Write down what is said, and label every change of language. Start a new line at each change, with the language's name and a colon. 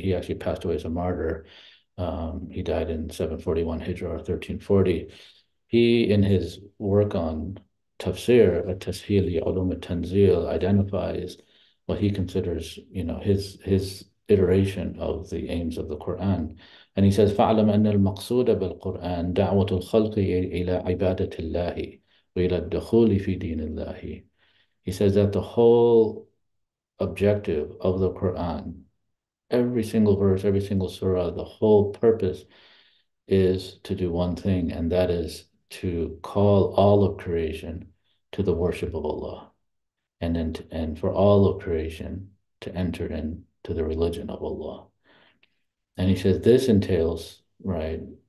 English: He actually passed away as a martyr. He died in 741 Hijra, 1340. He, in his work on Tafsir, At-Tashhili Ulum At-Tanzil, identifies what he considers, his iteration of the aims of the Quran. And he says,
Arabic: فَعْلَمْ أَنَّ الْمَقْصُودَ بِالْقُرْآنِ دَعْوَةُ الْخَلْقِ إِلَىٰ عِبَادَةِ اللَّهِ وَإِلَىٰ الدُّخُولِ فِي دِينِ اللَّهِ.
English: He says that the whole objective of the Quran, every single verse, every single surah, the whole purpose is to do one thing, and that is to call all of creation to the worship of Allah, and for all of creation to enter into the religion of Allah. And he says this entails, right,